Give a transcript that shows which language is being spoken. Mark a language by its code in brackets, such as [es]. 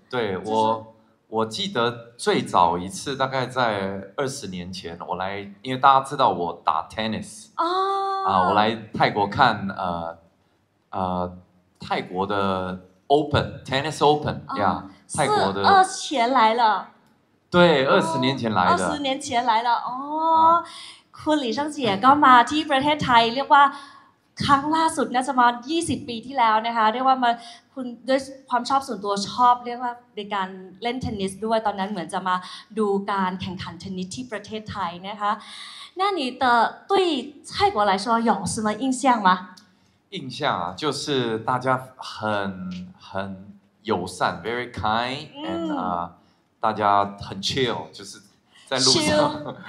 [zh] 对我记得最早一次大概在二十年前我来因为大家知道我打 tennis 我来泰国看泰国的 open tennis open 泰国的二十年来了对二十年前来的二十年前来了 [th] คุณหลี่ช่างเจียก็มาที่ประเทศไทยเรียกว่าครั้งล่าสุดน่าจะมา20ปีที่แล้วนะคะเรียกว่ามาคุณด้วยความชอบส่วนตัวชอบเรียกว่าในการเล่นเทนนิสด้วยตอนนั้นเหมือนจะมาดูการแข่งขันเทนนิสที่ประเทศไทยนะคะนั่นนี่ [zh] 的对泰国来说有什么印象吗印象啊就是大家很友善 [en] very kind and [zh] 大家很 chill 就是在路上